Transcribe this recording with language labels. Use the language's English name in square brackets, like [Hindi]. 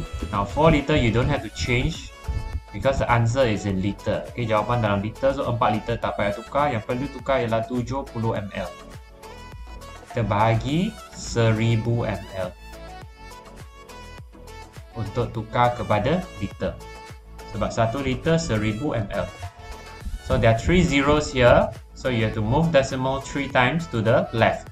[English] Now 4 liter you don't have to change because the answer is in liter. [Malay] Okay, jawapan dalam liter. So 4 liter tak payah tukar. Yang perlu tukar ialah 70 ml. Kita bahagi 1000 ml untuk tukar kepada liter. Sebab 1 liter 1000 ml. [English] So there are 3 zeros here. So you have to move decimal 3 times to the left.